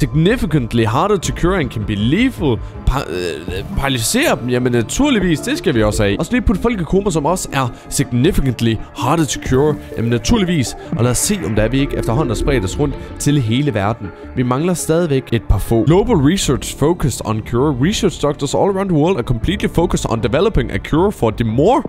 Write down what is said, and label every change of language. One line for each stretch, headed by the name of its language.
English: Significantly harder to cure and can be lethal.
Danish: Paralysere dem, jamen naturligvis, det skal vi også have. Og så lige putte folk i koma, som også er
English: significantly harder to cure.
Danish: Jamen naturligvis. Og lad os se, om der er vi ikke efterhånden har spredt os rundt til hele verden. Vi mangler stadigvæk et par få.
English: Global research focused on cure. Research doctors all around the world are completely focused on developing a cure for the more.